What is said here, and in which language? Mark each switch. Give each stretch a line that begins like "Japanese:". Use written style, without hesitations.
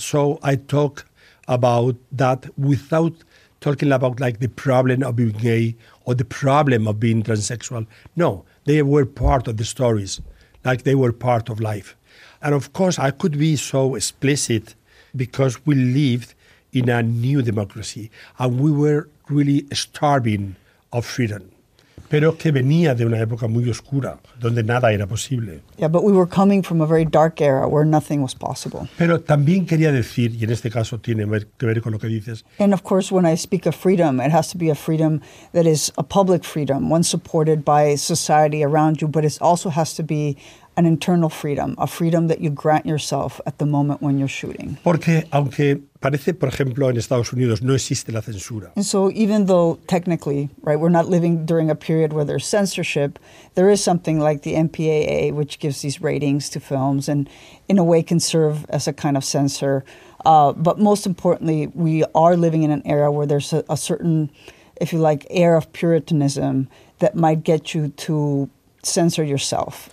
English: So I talk about that without talking about the problem of being gay or the problem of being transsexual. No, they were part of the stories, they were part of life. And of course, I could be so explicit because we lived in a new democracy and we were really starving of freedom.
Spanish: Pero que venía de una época muy oscura, donde nada era posible.
English: Yeah, but we were coming from a very dark era where nothing was possible.
Spanish: Pero también quería decir, y en este caso tiene que ver con lo que dices.
English: And of course, when I speak of freedom, it has to be a freedom that is a public freedom, one supported by society around you, but it also has to be an internal freedom, a freedom that you grant yourself at the moment when you're shooting.
Spanish: Porque aunque parece, por ejemplo, en Estados Unidos no existe la censura.
English: And so even though technically, we're not living during a period where there's censorship, there is something like the MPAA, which gives these ratings to films and in a way can serve as a kind of censor. But most importantly, we are living in an era where there's a certain, air of Puritanism that might get you to censor yourself.